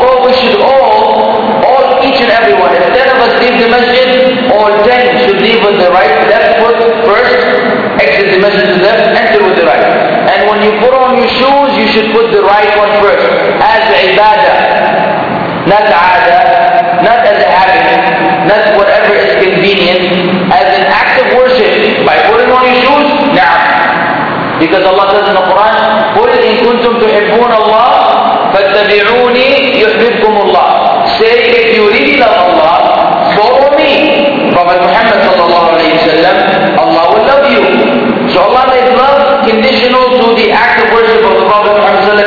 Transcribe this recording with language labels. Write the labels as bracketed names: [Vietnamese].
[English] Although we should all, each and everyone, if 10 of us leave the masjid, all 10 should leave with the right, left foot first, exit the masjid to the left, enter with the right. And when you put on your shoes, you should put the right one first, as ibadah, not ada, not as a habit, not whatever is convenient, as an act of worship, by putting on your shoes, na'am. Because Allah says in the Quran, [Arabic] قُلْ إِن كُنْتُمْ تُحِبُّونَ اللَّهِ فَاتَّبِعُونِي يُحْبِبْكُمُ اللَّهِ. [English] Say, if you really love Allah, follow me. Prophet Muhammad sallallahu alayhi wa sallam, Allah will love you. So Allah made love conditional to the act of worship of the Prophet Muhammad.